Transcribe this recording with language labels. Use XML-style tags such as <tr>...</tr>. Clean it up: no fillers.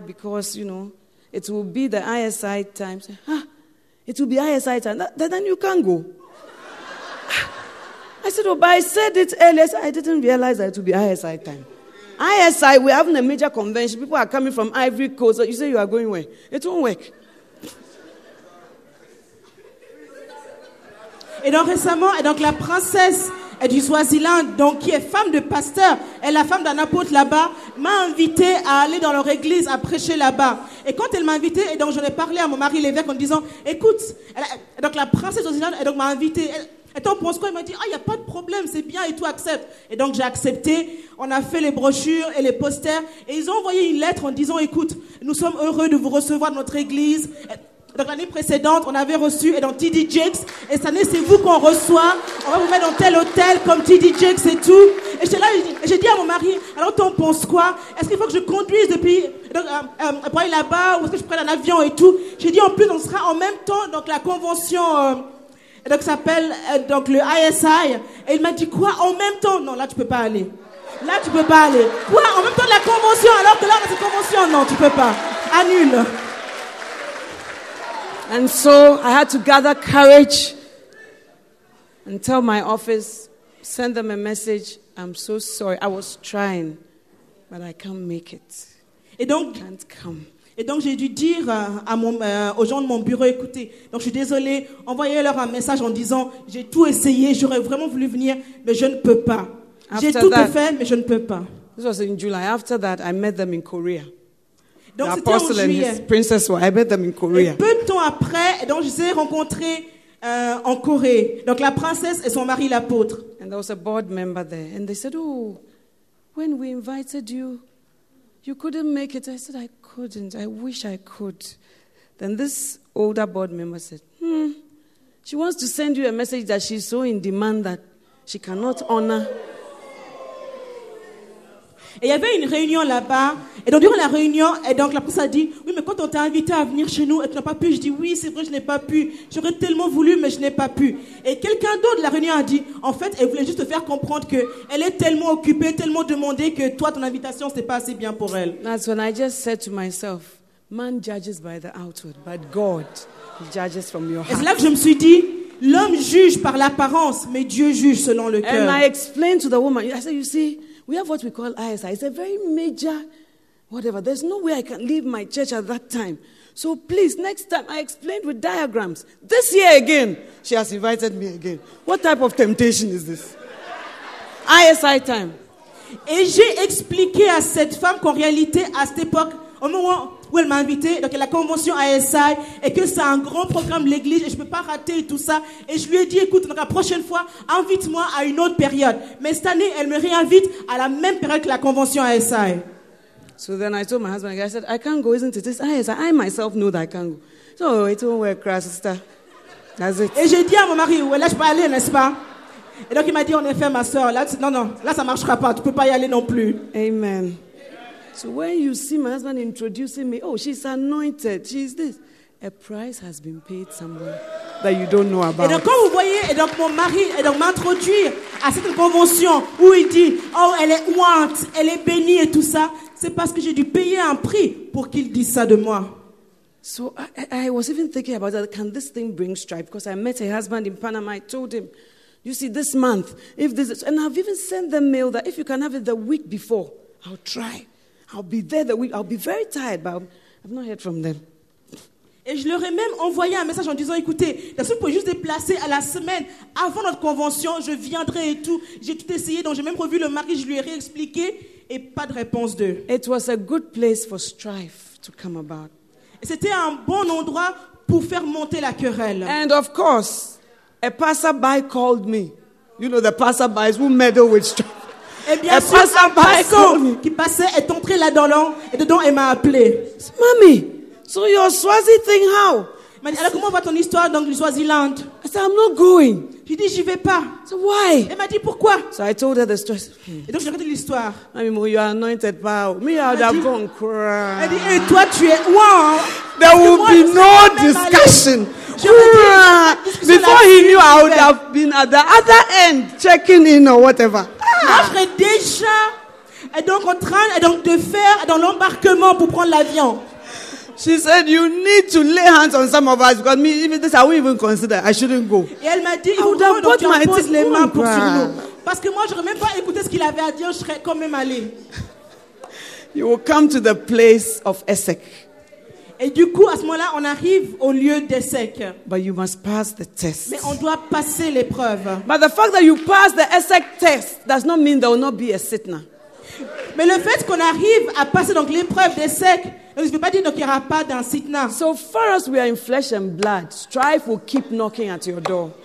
<en>Because, you know, it will be the ISI time." "Huh? It will be ISI time. Then you can't go." I said, "Oh, but I said it earlier. So I didn't realize that it will be ISI time. ISI, we're having a major convention. People are coming from Ivory Coast. So you say you are going where? It won't work."</en> <fr>Et donc récemment, et donc la princesse du Swaziland, donc qui est femme de pasteur, elle est la femme d'un apôtre là-bas, m'a invitée à aller dans leur église à prêcher là-bas. Et quand elle m'a invitée, et donc j'en ai parlé à mon mari l'évêque en disant, écoute, donc la princesse Swaziland, et donc m'a invitée. Et toi, pense quoi? Il m'a dit, ah, il n'y a pas de problème, c'est bien et tout, accepte. Et donc, j'ai accepté. On a fait les brochures et les posters. Et ils ont envoyé une lettre en disant, écoute, nous sommes heureux de vous recevoir dans notre église. Et donc, l'année précédente, on avait reçu et dans T.D. Jakes. Et cette année, c'est vous qu'on reçoit. On va vous mettre dans tel hôtel comme T.D. Jakes et tout. Et j'étais là, j'ai dit à mon mari, alors, t'en penses quoi? Est-ce qu'il faut que je conduise depuis, pour aller là-bas ou est-ce que je prenne un avion et tout? J'ai dit, en plus, on sera en même temps, donc, la convention, et donc, ça s'appelle donc, le ISI. Et il m'a dit, quoi, en même temps? Non, là, tu peux pas aller. Là, tu peux pas aller. Quoi, en même temps de la convention, alors que là, on a cette convention? Non, tu peux pas. Annule.</fr> <en>And so, I had to gather courage and tell my office, send them a message. I'm so sorry. I was trying, but I can't make it.</en> <fr>Et donc,</fr> <en>I can't come.</en> <fr>Et donc, j'ai dû dire aux gens de mon bureau, écoutez, donc je suis désolée, envoyez-leur un message en disant, j'ai tout essayé, j'aurais vraiment voulu venir, mais je ne peux pas.</fr> <en>After</en> <fr>j'ai tout</fr> <en>that,</en> <fr>fait, mais je ne peux pas.</fr> <en>This was in July. After that, I met them in Korea.</en> <fr>Donc,</fr> <en>the apostle</en> <fr>en juillet.</fr> <en>And his princess were, I met them in Korea.</en> <fr>Et peu de temps après, donc je les ai rencontrés en Corée. Donc, la princesse et son mari, l'apôtre.</fr> <en>And there was a board member there. And they said, oh, when we invited you, you couldn't make it. I said, I couldn't. I wish I could. Then this older board member said, she wants to send you a message that she's so in demand that she cannot honor.</en> <fr>Et il y avait une réunion là-bas. Et donc, durant la réunion, et donc, la personne a dit, oui, mais quand on t'a invité à venir chez nous, et tu n'as pas pu, je dis, oui, c'est vrai, je n'ai pas pu. J'aurais tellement voulu, mais je n'ai pas pu. Et quelqu'un d'autre de la réunion a dit, en fait, elle voulait juste te faire comprendre qu'elle est tellement occupée, tellement demandée, que toi, ton invitation, ce n'est pas assez bien pour elle.</fr> <en>That's when I just said to myself, man judges by the outward, but God judges from your heart.</en> <fr>Et c'est là que je me suis dit, l'homme juge par l'apparence, mais Dieu juge selon le cœur.</fr> <en>And I explained to the woman, I said, you see, we have what we call ISI. It's a very major whatever. There's no way I can leave my church at that time. So please, next time, I explained with diagrams. This year again, she has invited me again. What type of temptation is this? ISI time.</en> <fr>Et j'ai expliqué à cette femme qu'en réalité, à cette époque, au moment où elle m'a invitée, donc à la convention ISI, et que c'est un grand programme de l'église, et je ne peux pas rater tout ça. Et je lui ai dit, écoute, donc la prochaine fois, invite-moi à une autre période. Mais cette année, elle me réinvite à la même période que la convention ISI.</fr> <en>So then I told my husband, I said, I can't go, isn't it? It's ISI. I myself know that I can't go. So it won't work, sister. That's it.</en> <fr>Et j'ai dit à mon mari, ouais, là, je peux aller, n'est-ce pas? Et donc il m'a dit, en effet, ma soeur, là, non, non, là, ça ne marchera pas. Tu ne peux pas y aller non plus.</fr> <en>Amen. So when you see my husband introducing me, oh, she's anointed, she's this. A price has been paid somewhere that you don't know about.</en> <fr>Et donc quand vous voyez, et donc mon mari, et donc m'introduire à cette convention où il dit, oh, elle est ointe, elle est bénie et tout ça, c'est parce que j'ai dû payer un prix pour qu'il dise ça de moi.</fr> <en>So I was even thinking about that. Can this thing bring strife? Because I met a husband in Panama. I told him, you see, this month, if this is, and I've even sent them mail that if you can have it the week before, I'll try. I'll be there the week. I'll be very tired, but I've not heard from them.</en> <fr>Et je leur ai même envoyé un message en disant, écoutez, si vous pouvez juste déplacer à la semaine avant notre convention, je viendrai et tout. J'ai tout essayé, donc j'ai même revu le mari, je lui ai réexpliqué et pas de réponse d'eux.</fr> <en>It was a good place for strife to come about.</en> <fr>Et c'était un bon endroit pour faire monter la querelle.</fr> <en>And of course, a passerby called me. You know, the passerbys who meddle with strife.</en> <fr>Et bien sûr, un passant qui passait est entré là-dedans et dedans elle m'a appelé.</fr> <en>Mami, so your Swazi thing how?</en> <fr>Mais alors comment va ton histoire dans le Swaziland?</fr> <en>I said I'm not going.</en> <fr>J'ai dit j'y vais pas.</fr> <en>So why?</en> <fr>Elle m'a dit pourquoi?</fr> <en>So I told her the story.</en> <fr>Et donc je raconte l'histoire.</fr> <en>Mami, you are anointed, pal. Me, I'd have gone cry.</en> <fr>Elle dit et toi tu es wow.</fr> <en>There will be no discussion. Before he knew, I would have been at the other end checking in or whatever.</en> <fr>J'étais déjà et donc en train et donc de faire dans l'embarquement pour prendre l'avion.</fr> <en>She said, "You need to lay hands on some of us because me, even this, I wouldn't even consider. I shouldn't go."</en> <fr>Et elle m'a dit, "Vous devez donc poser les mains pour sur nous parce que moi, je ne même pas écouter ce qu'il avait à dire. Je serais quand même allée."</fr> <en>You will come to the place of Essek.</en> <fr>Et du coup, à ce moment-là, on arrive au lieu d'essai.</fr> <en>But you must pass the test.</en> <fr>Mais on doit passer l'épreuve.</fr> <en>But the fact that you pass the essai test does not mean there will not be a sitna.</en> <fr>Mais le fait qu'on arrive à passer donc l'épreuve d'essai, je ne veux pas dire donc il n'y aura pas d'un sitna.</fr> <en>So far as we are in flesh and blood, strife will keep knocking at your door.</en>